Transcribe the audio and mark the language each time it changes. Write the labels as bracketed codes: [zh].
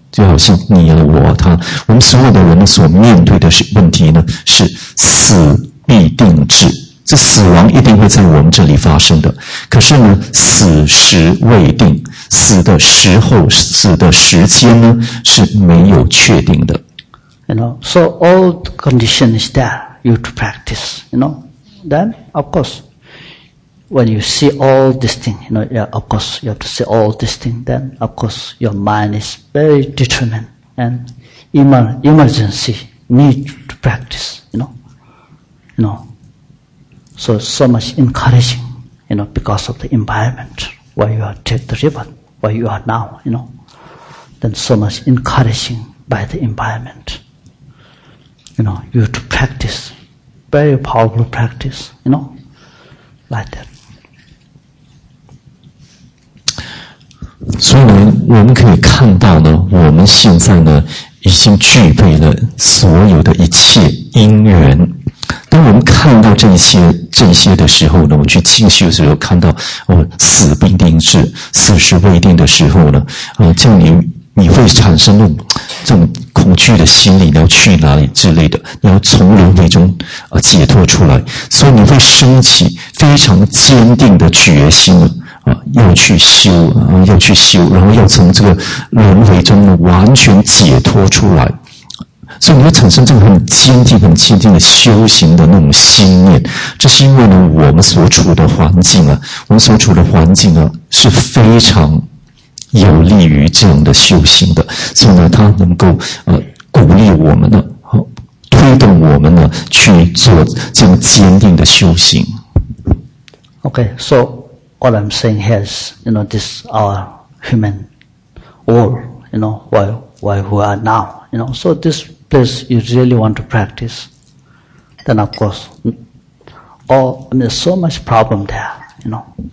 [zh] 就好像你啊我啊他，我们所有的人所面对的问题呢，是死必定至，这死亡一定会在我们这里发生的。可是呢，死时未定，死的时候、死的时间呢是没有确定的。 [en] You know, so all the condition is there, you to practice. You know, then of course, when you see all these things, you know, yeah, of course you have to see all these things. Then of course your mind is very determined and emergency need to practice. You know. So much encouraging, you know, because of the environment where you are take the river, where you are now, you know, then so much encouraging by the environment. You know, you have to practice, very powerful practice, you know, like that. [zh] 所以呢，我们可以看到呢，我们现在呢已经具备了所有的一切因缘。当我们看到这些的时候呢，我们去进修的时候看到，死必定至，死时未定的时候呢，叫你会产生这种恐惧的心理，你要去哪里之类的，你要从轮回中解脱出来，所以你会升起非常坚定的决心呢。要去修，然后要从这个轮回中完全解脱出来，所以你会产生这种很坚定的修行的那种心念。这是因为呢，我们所处的环境啊，是非常有利于这样的修行的，所以呢，它能够鼓励我们呢，推动我们呢去做这样坚定的修行。 [en] Okay, so. All I'm saying here is, you know, this our human world, you know, why we are now, you know. So this place you really want to practice, then of course, there's so much problem there, you know.